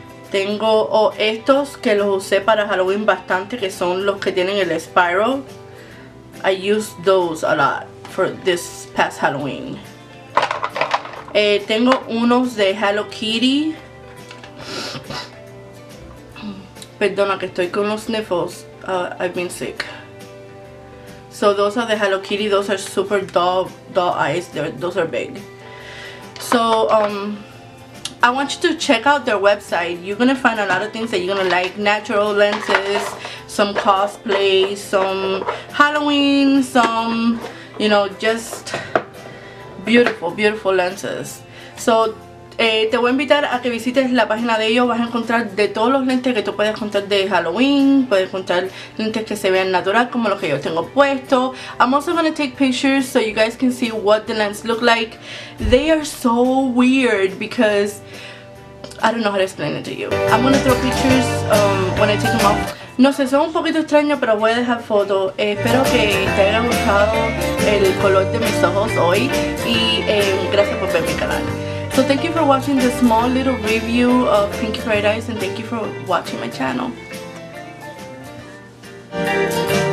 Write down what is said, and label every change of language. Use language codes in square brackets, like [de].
[es] Tengo estos que los usé para Halloween bastante, que son los que tienen el spiral. [en] I use those a lot for this past Halloween. [es] Tengo unos de Hello Kitty. Perdona que estoy con los sniffles. [en] I've been sick. So those are the Hello Kitty. Those are super doll eyes. Those are big. So I want you to check out their website. You're gonna find a lot of things that you're gonna like. Natural lenses, some cosplay, some Halloween, some, you know, just beautiful, beautiful lenses. [es] So, te voy a invitar a que visites la página de ellos. Vas a encontrar de todos los lentes que tú puedes encontrar de Halloween. Puedes encontrar lentes que se vean natural, como los que yo tengo puesto. [en] I'm also gonna take pictures so you guys can see what the lens look like. They are so weird because I don't know how to explain it to you. I'm gonna throw pictures when I take them off. [es] No sé, son un poquito extraños, pero voy a dejar fotos. Espero que te haya gustado el color de mis ojos hoy. Y gracias por ver mi canal. [en] So thank you for watching this small little review of Pinky Paradise, and thank you for watching my channel.